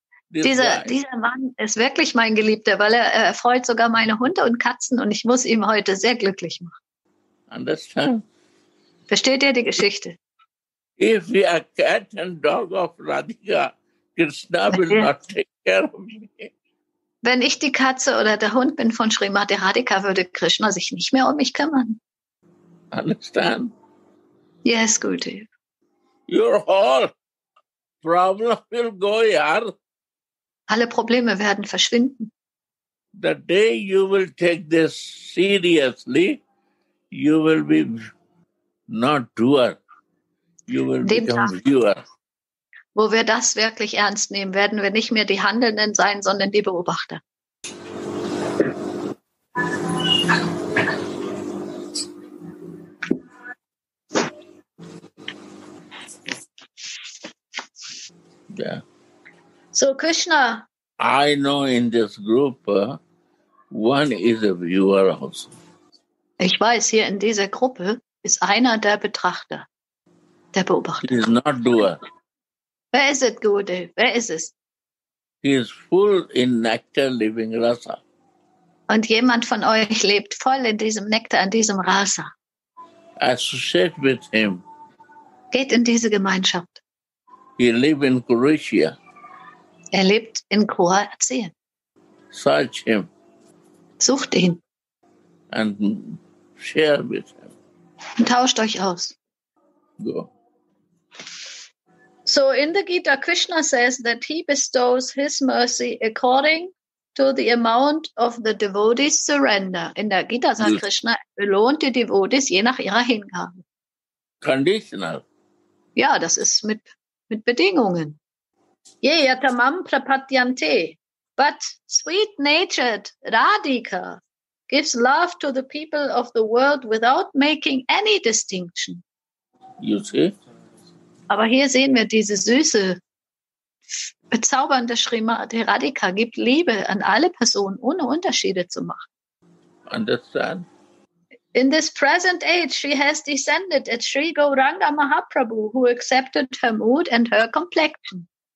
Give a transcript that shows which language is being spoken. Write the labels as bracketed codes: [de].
[de] Dieser Mann ist wirklich mein Geliebter, weil er erfreut sogar meine Hunde und Katzen und ich muss ihm heute sehr glücklich machen. [en] Understand? [de] Versteht ihr die Geschichte? [en] If we are cat and dog of Radhika, Krishna will not take care of me. [de] Wenn ich die Katze oder der Hund bin von Srimati Radhika, würde Krishna sich nicht mehr um mich kümmern. [en] Understand? Yes, Gurudev. Your whole problem will go, yaar. [de] Alle Probleme werden verschwinden. [en] The day you will take this seriously, you will be not doer. You will become doer. [de] wo wir das wirklich ernst nehmen, werden wir nicht mehr die Handelnden sein, sondern die Beobachter. [en] Yeah. So, Krishna. I know in this group, one is a viewer also. [de] Ich weiß, hier in dieser Gruppe ist einer der Betrachter, der Beobachter. [en] He is not doer. [de] Wer ist es, Gurudev? Wer ist es? [en] He is full in nectar living rasa. [de] Und jemand von euch lebt voll in diesem Nektar, in diesem Rasa. [en] Associate with him. [de] Geht in diese Gemeinschaft. [en] He live in Croatia. [de] Er lebt in Kroatien. [en] Search him. [de] Sucht ihn. [en] And share with him. [de] Und tauscht euch aus. [en] Go. So in the Gita, Krishna says that he bestows his mercy according to the amount of the devotee's surrender. [de] In der Gita sagt Krishna, belohnt die Devotees je nach ihrer Hingabe. [en] Conditional. [de] Ja, das ist mit Bedingungen. [sa] Ye yatamam prapatyante. [en] But sweet-natured Radhika gives love to the people of the world without making any distinction. You see? [de] Aber hier sehen wir diese süße, bezaubernde Srimati Radhika gibt Liebe an alle Personen, ohne Unterschiede zu machen. [en] Understand? In this present age, she has descended at Sri Gauranga Mahaprabhu, who accepted her mood and her complexion.